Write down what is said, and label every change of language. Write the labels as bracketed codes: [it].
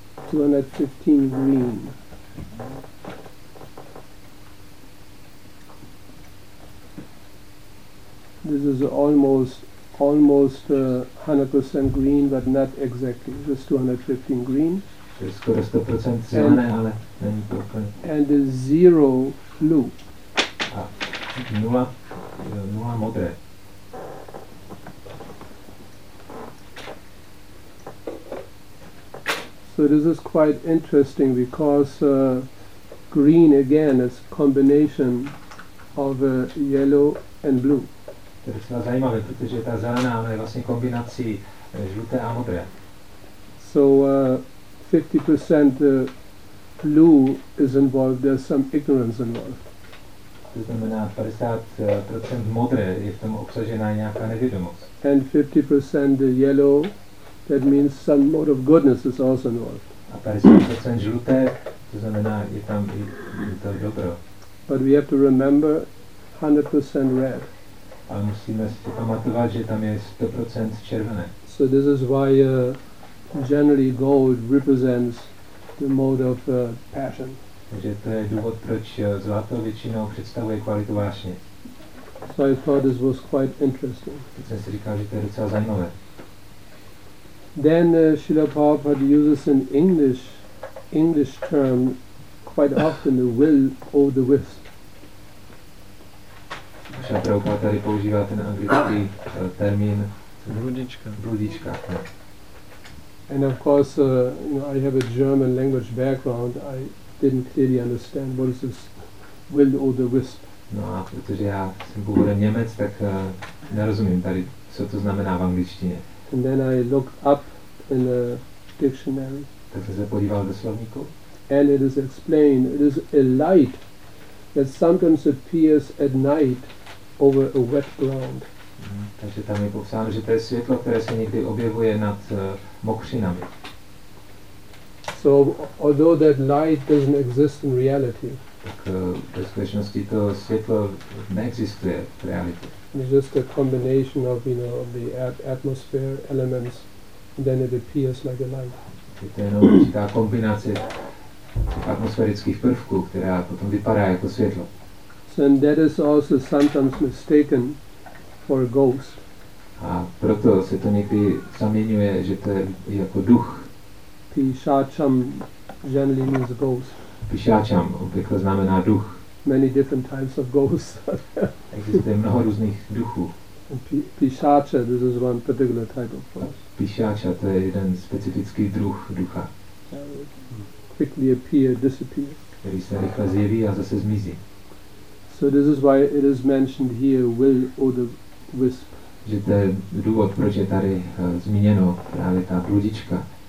[en] 215 green. This is almost 100% green, but not exactly. This is 215 green. [cs] To je skoro 100% zelené, ale není to úplně. [en] And a zero blue. [cs] A nula modré. [en] So this is quite interesting because green again is combination of yellow and blue. [cs] To je docela zajímavé, protože ta zelená je vlastně kombinací žluté a modré. [en] So 50% blue is involved, there's some ignorance involved. [cs] To znamená 50% modré, je v tom obsažena nějaká nevědomost. [en] And 50% yellow, that means some mode of goodness is also involved. [cs] A 50% žluté, to znamená, je tam i to dobro. [en] But we have to remember 100% red. [cs] A musíme si pamatovat, že tam je 100% červené. [en] So this is why generally gold represents the mode of passion. [cs] Takže to je důvod, proč zlato většinou představuje kvalitu vášně. [en] So I thought this was quite interesting. [cs] Teď jsem si říkal, že to je docela zajímavé. [en] Then Srila Prabhupada uses an English term quite often, the will or the wisp. [cs] Srila Prabhupada tady používá ten anglický termín bludička. [en] And of course, I have a German language background. I didn't clearly understand what is this will-o'-the-wisp. [cs] No, a protože já jsem původem Němec, tak nerozumím tady, co to znamená v angličtině. [en] And then I looked up in a dictionary. [cs] Tak jsem se podíval do slovníku. [en] And it is explained. It is a light that sometimes appears at night over a wet ground. [cs] Takže tam je popsáno, že to je světlo, které se někdy objevuje nad mokřinami. [en] So although that light doesn't exist in reality. [cs] Tak ve skutečnosti to světlo neexistuje v realitě. [en] It's just a combination of, you know, of the atmosphere elements, and then it appears like a light. [cs] Je to jenom určitá kombinace atmosférických prvků, která potom vypadá jako světlo. [en] So and that is also sometimes mistaken for a ghost. [cs] A proto se to někdy zaměňuje, že to je jako duch. [en] Pishacham generally means ghost. [cs] Pishacham obvykle znamená duch. [en] many different types of ghosts. [cs] Existuje mnoho různých duchů. [en] Píšáče, this is one particular type of ghost. [cs] Píšáče, to je jeden specifický druh ducha. [en] Quickly appear, disappear. [cs] Který se rychle zjeví a zase zmizí. [en] So this is why it is mentioned here, will or the wisp. [cs] Že to je důvod, proč je tady zmíněno právě ta bludička.